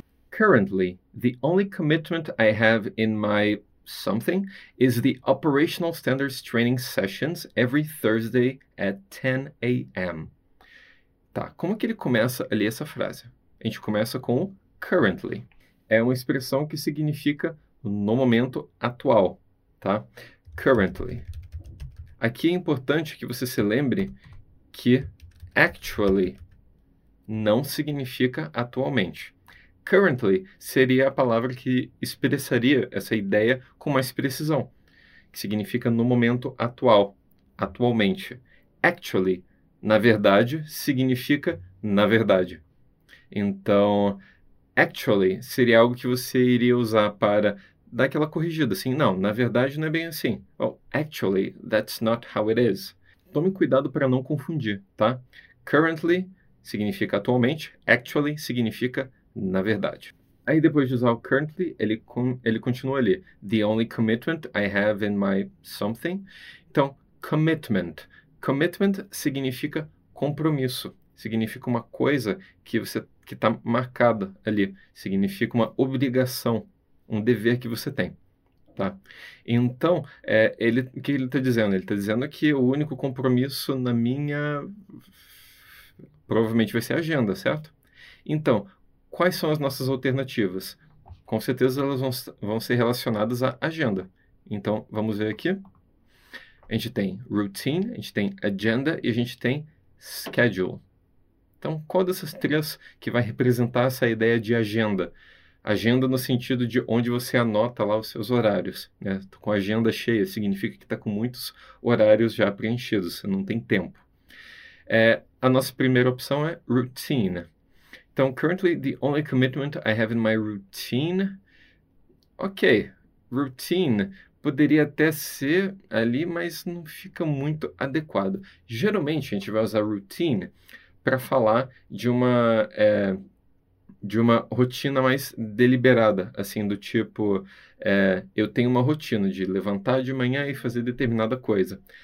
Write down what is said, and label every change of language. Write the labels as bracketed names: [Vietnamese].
[English] Currently, the only commitment I have in my something is the operational standards training sessions every Thursday at 10 a.m. [Portuguese] Tá, como que ele começa ali essa frase? A gente começa com o currently. É uma expressão que significa no momento atual, tá? Currently. Aqui é importante que você se lembre que actually não significa atualmente. Currently seria a palavra que expressaria essa ideia com mais precisão, que significa no momento atual, atualmente. Actually, na verdade, significa na verdade. Então, actually seria algo que você iria usar para dar aquela corrigida, assim, não, na verdade não é bem assim. [English] Oh, actually, that's not how it is. [Portuguese] Tome cuidado para não confundir, tá? Currently significa atualmente, actually significa na verdade. Aí depois de usar o currently, ele continua ali. [English] The only commitment I have in my something. [Portuguese] Então, commitment. Commitment significa compromisso. Significa uma coisa que está marcada ali. Significa uma obrigação, um dever que você tem. Tá. Então, o que ele está dizendo? Ele está dizendo que o único compromisso na minha provavelmente vai ser a agenda, certo? Então, quais são as nossas alternativas? Com certeza elas vão ser relacionadas à agenda. Então, vamos ver aqui. A gente tem routine, a gente tem agenda e a gente tem schedule. Então, qual dessas três que vai representar essa ideia de agenda? Agenda no sentido de onde você anota lá os seus horários, né? Tô com a agenda cheia, significa que está com muitos horários já preenchidos, você não tem tempo. A nossa primeira opção é routine. [English] Então, currently the only commitment I have in my routine. [Portuguese] Ok, routine poderia até ser ali, mas não fica muito adequado. Geralmente a gente vai usar routine para falar de uma rotina mais deliberada, assim, do tipo, eu tenho uma rotina de levantar de manhã e fazer determinada coisa.